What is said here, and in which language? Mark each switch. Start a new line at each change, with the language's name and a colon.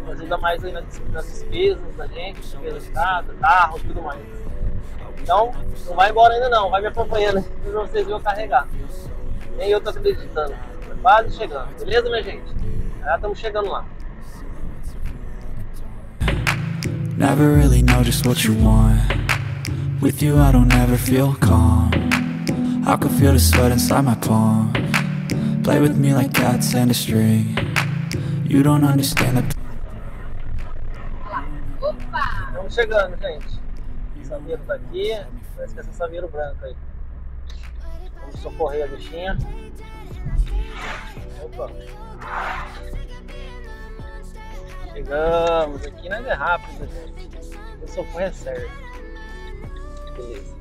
Portuguese: Ajuda mais aí nas despesas da gente, despesa de casa, carro, tudo mais. Então, não vai embora ainda não. Vai me acompanhando pra vocês verem eu carregar. Nem eu tô acreditando. Quase chegando, beleza, minha gente? Já estamos chegando lá.
English: Never really know just what you want. With you I don't ever feel calm. I can feel the sweat inside my palm. Play with me like cats and a string. You don't understand the. Opa!
Portuguese: Estamos chegando, gente. Essa mesa tá aqui. Parece que essa saveiro branco aí. Vamos socorrer a bichinha. Opa. Chegamos aqui, não é rápido, gente. O socorro é certo. Beleza.